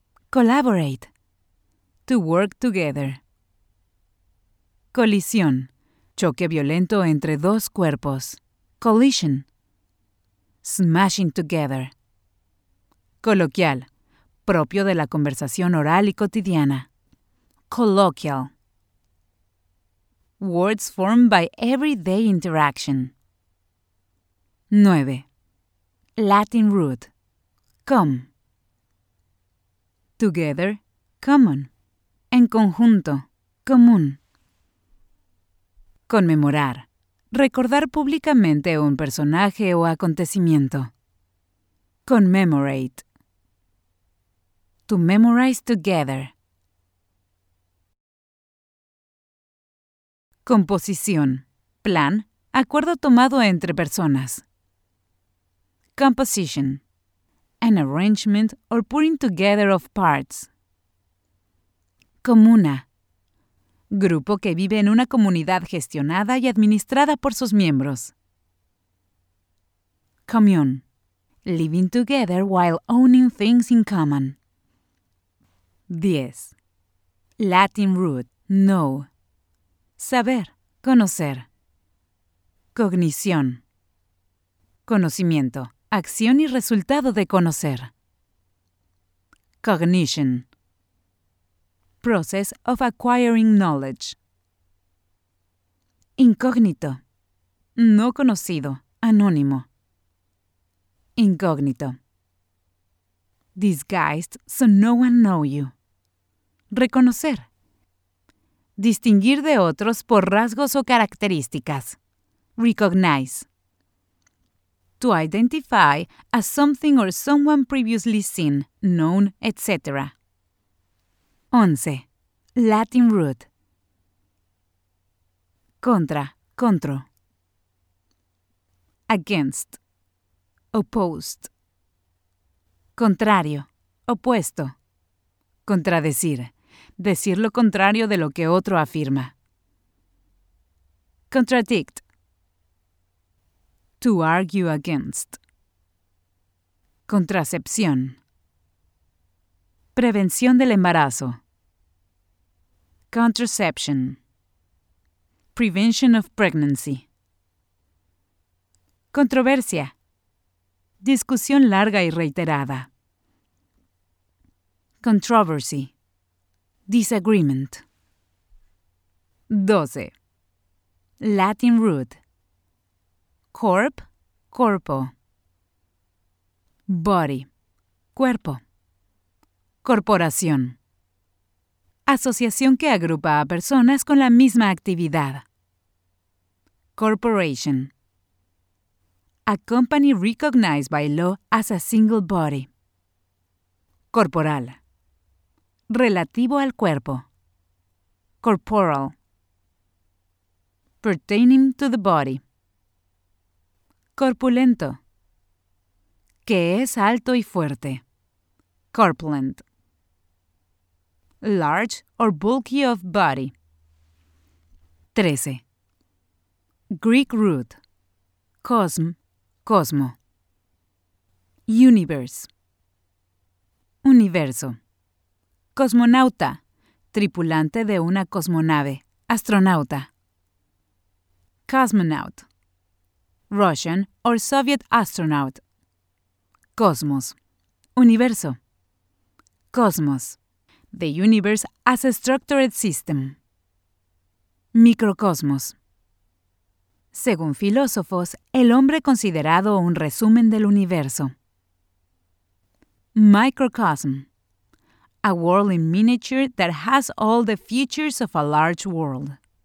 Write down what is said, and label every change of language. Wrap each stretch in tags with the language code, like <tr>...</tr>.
<en>Collaborate. To work together. Colisión.</en> <es>Choque violento entre dos cuerpos. Collision.</es> <en>Smashing together. Coloquial.</en> <es>Propio de la conversación oral y cotidiana.</es> <en>Colloquial. Words formed by everyday interaction. 9. Latin root. Come. Together. Common.</en> <es>En conjunto. Común. Conmemorar. Recordar públicamente un personaje o acontecimiento.</es> <en>Commemorate. To memorize together.</en> <es>Composición. Plan. Acuerdo tomado entre personas.</es> <en>Composition. An arrangement or putting together of parts.</en> <es>Comuna. Grupo que vive en una comunidad gestionada y administrada por sus miembros.</es> <en>Commune. Living together while owning things in common. 10. Latin root. Know.</en> <es>Saber. Conocer. Cognición. Conocimiento. Acción y resultado de conocer.</es> <en>Cognition. Process of acquiring knowledge.</en> <es>Incógnito. No conocido. Anónimo. Incógnito.</es> <en>Disguised so no one know you.</en> <es>Reconocer. Distinguir de otros por rasgos o características.</es> <en>Recognize. To identify as something or someone previously seen, known, etc. 11. Latin root. Contra, contro. Against, opposed.</en> <es>Contrario, opuesto. Contradecir, decir lo contrario de lo que otro afirma.</es> <en>Contradict, to argue against.</en> <es>Contracepción, prevención del embarazo.</es> <en>Contraception. Prevention of pregnancy.</en> <es>Controversia. Discusión larga y reiterada.</es> <en>Controversy. Disagreement. 12. Latin root. Corp. Corpo. Body. Cuerpo. Corporación.</en> <es>Asociación que agrupa a personas con la misma actividad.</es> <en>Corporation. A company recognized by law as a single body.</en> <es>Corporal. Relativo al cuerpo. Corporal.</es> <en>Pertaining to the body. Corpulento.</en> <es>Que es alto y fuerte. Corpulent.</es> <en>Large or bulky of body. 13. Greek root. Cosm, cosmo. Universe. Universo.</en> <es>Cosmonauta, tripulante de una cosmonave, astronauta. Cosmonaut.</es> <en>Russian or Soviet astronaut. Cosmos. Universo. Cosmos. The universe as a structured system.</en> <es>Microcosmos. Según filósofos, el hombre considerado un resumen del universo.</es> <en>Microcosm. A world in miniature that has all the features of a large world.</en>